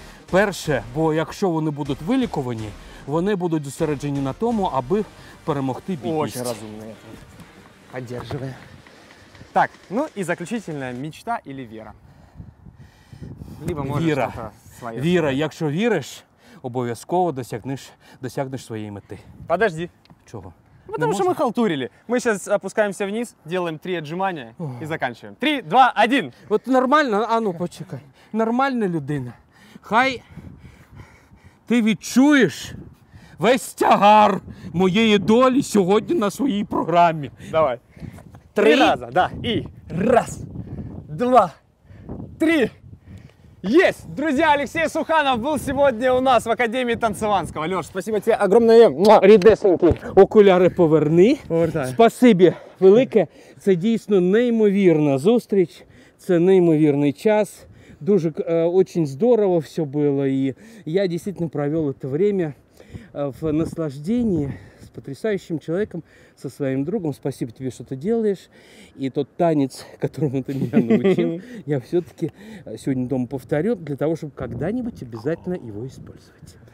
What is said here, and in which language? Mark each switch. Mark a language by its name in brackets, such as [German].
[Ukrainian] Перше, бо якщо вони будуть вилікувані, вони будуть зосереджені на тому, аби перемогти бідність. Дуже розумно. Підтримую. Так, ну і заключительна мечта або віра? [Russian] Либо [Ukrainian] віра. Віра. Якщо віриш, обов'язково досягнеш своєї мети. [Russian] Подожди. [Ukrainian] Чого? [Russian] Потому что мы халтурили. Мы сейчас опускаемся вниз, делаем три отжимания и заканчиваем. 3, 2, 1. Вот нормально, [Ukrainian] а ну почекай. [Russian] Нормальная людина. [Ukrainian] Хай ти відчуєш весь тягар моєї долі сьогодні на своїй програмі. Давай. Три рази, да. І раз, два, три. Есть! [Russian] Друзья, Алексей Суханов был сегодня у нас в Академии Танцеванского. Леш, спасибо тебе огромное. [Ukrainian] Рідесенький. Окуляри поверни. Повертаю. Спасибо велике. Це дійсно неймовірна зустріч. Це неймовірний час. [Russian] Дужик, очень здорово все было, и я действительно провел это время в наслаждении с потрясающим человеком, со своим другом. Спасибо тебе, что ты делаешь. И тот танец, которому ты меня научил, я все-таки сегодня дома повторю, для того, чтобы когда-нибудь обязательно его использовать.